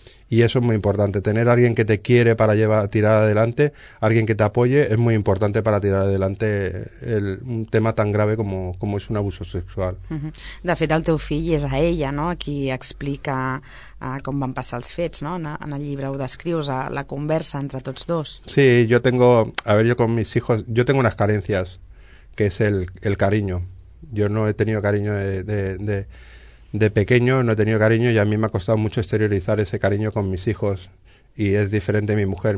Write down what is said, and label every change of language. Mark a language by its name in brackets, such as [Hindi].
[Spanish] Y eso es muy importante, tener alguien que te quiere para tirar adelante, alguien que te apoye, es muy importante para tirar adelante un tema tan grave como es un abuso sexual. Uh-huh. [Catalan] De fet, el teu fill és a ella, no?, a qui explica com van passar els fets, no?, en el llibre ho descrius, la conversa entre tots dos. [Spanish] Sí, yo tengo, a ver, yo con mis hijos, yo tengo unas carencias, que es el cariño. Yo no he tenido cariño de pequeño, no he tenido cariño, y a mí me ha costado mucho exteriorizar ese cariño con mis hijos, y es diferente mi mujer.